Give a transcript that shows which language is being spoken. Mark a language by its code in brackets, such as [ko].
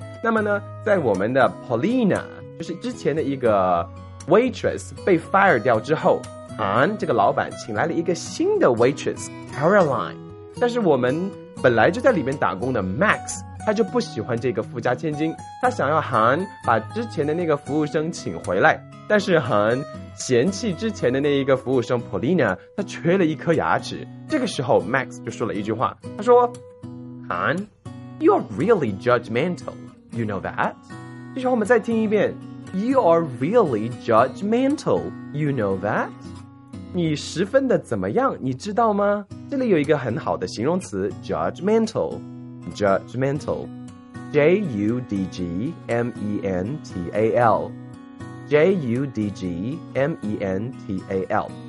[zh] 那么呢，在我们的 Paulina 就是之前的一个waitress 被 fire 掉之后，韩这个老板请来了一个新的 waitress Caroline， 但是我们本来就在里面打工的 Max 他就不喜欢这个富家千金，他想要韩把之前的那个服务生请回来，但是韩嫌弃之前的那一个服务生 Paulina 他缺了一颗牙齿。这个时候 Max 就说了一句话，他说 Han You are really judgmental You know that？ [en] 这时候我们再听一遍，You are really judgmental, you know that? [zh] 你十分的怎么样，你知道吗？这里有一个很好的形容词 judgmental, judgmental, J-U-D-G-M-E-N-T-A-L, J-U-D-G-M-E-N-T-A-L。